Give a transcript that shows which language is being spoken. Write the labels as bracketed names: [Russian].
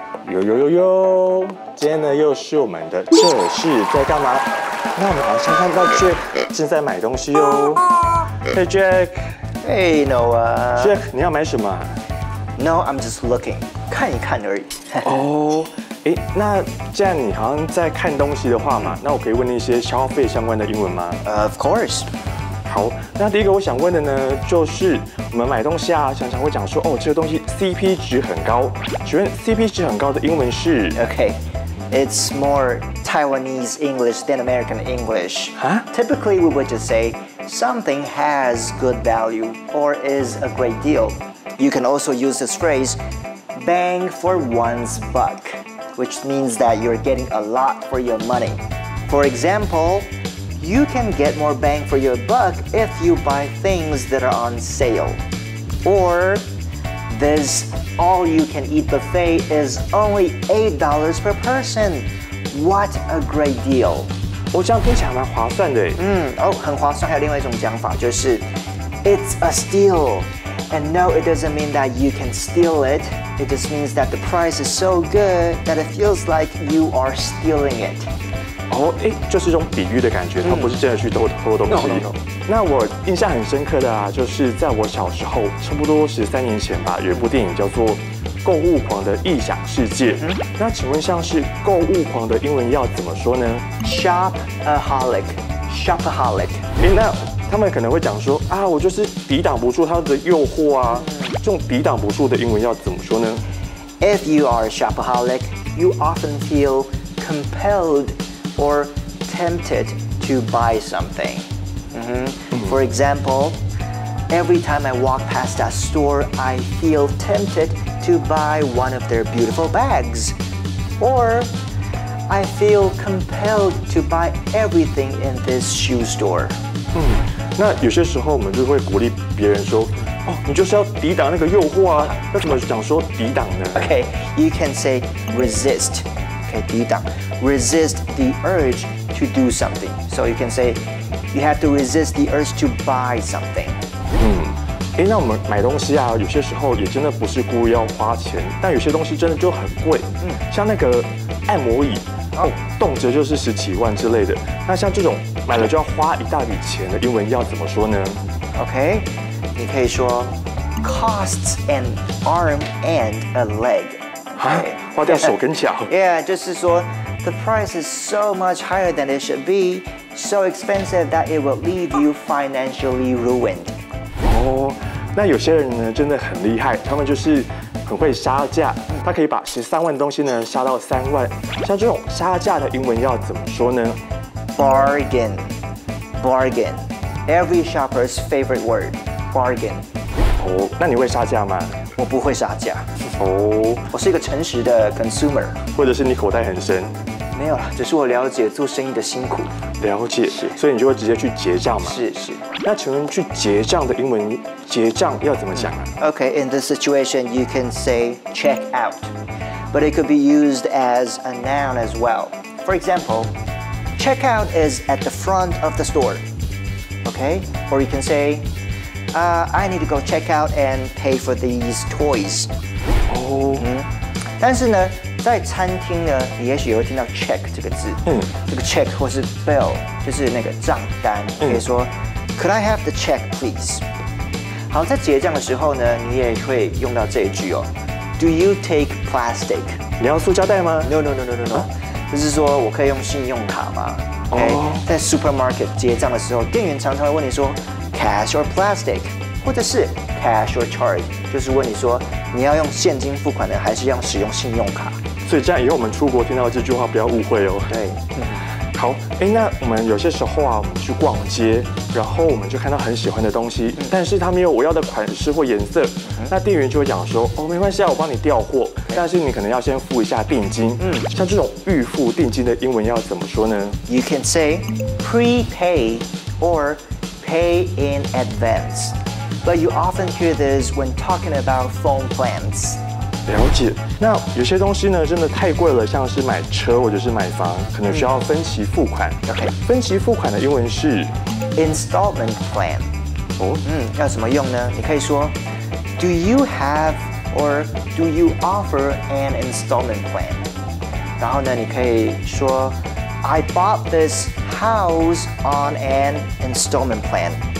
[Chinese] 呦呦呦呦，今天呢又是我们的这是在干嘛，那我们好像看到 Jack 正在买东西哦。 [English] Hey Jack。 Hey Noah。 [Chinese] Jack 你要买什么？ [English] No, I'm just looking， [Chinese] 看一看而已。哦，那既然你好像在看东西的话嘛，那我可以问你一些消费相关的英文吗？ [English] Of course。 [Chinese] 好，那第一个我想问的呢，就是我们买东西啊，常常会讲说，哦，这个东西 CP 值很高。请问 CP 值很高的英文是？ [English] Okay, it's more Taiwanese English than American English. Huh? Typically, we would just say something has good value or is a great deal. You can also use this phrase, bang for one's buck, which means that you're getting a lot for your money. For example,You can get more bang for your buck if you buy things that are on sale. Or, this all-you-can-eat buffet is only $8 per person. What a great deal. [Chinese] 哦，这样听起来蛮划算的。很划算。还有另外一种讲法，就是 [English] it's a steal. And no, it doesn't mean that you can steal it. It just means that the price is so good that it feels like you are stealing it. [Chinese] 就是一种比喻的感觉，他不是真的去偷东西。那我印象很深刻的啊，就是在我小时候，差不多13年前吧，有一部电影叫做《购物狂的异想世界》。那请问像是购物狂的英文要怎么说呢 [English] ？Shopaholic，Shopaholic。 [Chinese] 那他们可能会讲说啊，我就是抵挡不住他的诱惑啊。这种抵挡不住的英文要怎么说呢 [English] ？If you are a shopaholic, you often feel compelledOr tempted to buy something. For example, every time I walk past that store, I feel tempted to buy one of their beautiful bags. Or I feel compelled to buy everything in this shoe store. [Chinese] 那有些时候我们就会鼓励别人说，哦，你就是要抵挡那个诱惑啊。要怎么讲说抵挡呢 [English] ？Okay, you can say resist. 抵挡 resist the urge to do something. So you can say you have to resist the urge to buy something. [Chinese] 那我们买东西啊，有些时候也真的不是故意要花钱，但有些东西真的就很贵。像那个按摩椅，动辄就是10几万之类的。那像这种买了就要花一大笔钱的，英文要怎么说呢 [English] ？Okay, [Chinese] 你可以说 [English] costs an arm and a leg. [Chinese] 花掉手跟脚。 [English] Yeah, [Chinese] 就是说 [English] the price is so much higher than it should be, so expensive that it will leave you financially ruined. [Chinese] 那有些人呢真的很厉害，他们就是很会杀价，他可以把13万的东西呢杀到3万。像这种杀价的英文要怎么说呢 [English] ？Bargain, bargain, every shopper's favorite word, bargain. [Chinese] 那你会杀价吗？我不会杀价。我是一个诚实的 consumer，或者是你口袋很深？没有了，只是我了解做生意的辛苦。了解，所以你就会直接去结账嘛？是是。那请问去结账的英文结账要怎么讲啊 [English] ？Okay, in this situation, you can say check out, but it could be used as a noun as well. For example, check out is at the front of the store. Okay, or you can say, I need to go check out and pay for these toys. [Chinese] 但是呢，在餐厅呢，你也许也会听到 check 这个字，这个 check 或是 bill 就是那个账单，可以说 [English] Could I have the check, please? [Chinese] 好，在结账的时候呢，你也会用到这一句哦 [English] Do you take plastic? [Chinese] 你要塑胶袋吗 [English] ？No. [Chinese] 就是说我可以用信用卡吗 ？OK， 在 supermarket 结账的时候，店员常常会问你说 [English] cash or plastic， [Chinese] 或者是 [English] cash or charge， [Chinese] 就是问你说。你要用现金付款呢，还是要使用信用卡？所以这样以后我们出国听到这句话不要误会哦。对，好，那我们有些时候啊，我们去逛街，然后我们就看到很喜欢的东西，但是它没有我要的款式或颜色，那店员就会讲说，哦，没关系啊，我帮你调货，但是你可能要先付一下定金。像这种预付定金的英文要怎么说呢 [English] ？You can say prepay or pay in advance. But you often hear this when talking about phone plans. [Chinese] 了解。那有些东西呢，真的太贵了，像是买车或者是买房，可能需要分期付款。 [English] Okay. [Chinese] 分期付款的英文是 [English] installment plan. [Chinese] 要怎么用呢？你可以说 [English] ，Do you have Or do you offer an installment plan? [Chinese] 然后呢，你可以说 [English] I bought this house on an installment plan.